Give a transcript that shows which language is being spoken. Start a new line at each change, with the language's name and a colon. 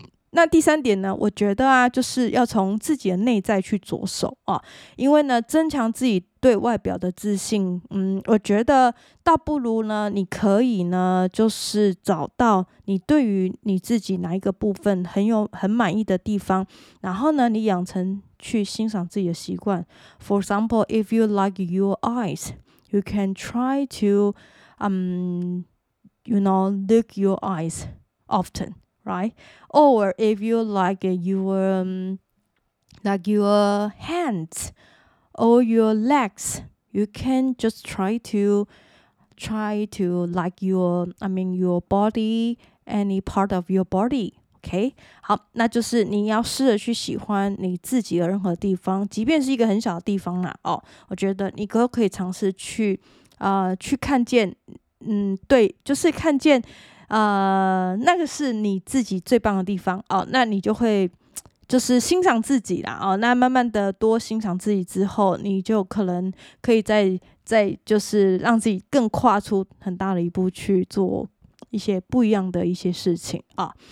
Chinese: 那第三点呢，我觉得啊，就是要从自己的内在去着手啊，因为呢，增强自己对外表的自信，我觉得倒不如呢，你可以呢，就是找到你对于你自己哪一个部分很满意的地方，然后呢，你养成去欣赏自己的习惯。
English: For example, if you like your eyes, you can try to, you know, look your eyes often. Right, or if you like your hands or your legs, you can just try to like your body, any part of your body.
Chinese: Okay, 好，那就是你要试着去喜欢你自己的任何地方，即便是一个很小的地方啦。哦，我觉得你都可以尝试去看见，对，就是看见。那个是你自己最棒的地方哦，那你就会就是欣赏自己啦哦，那慢慢的多欣赏自己之后，你就可能可以再就是让自己更跨出很大的一步去做一些不一样的一些事情啊。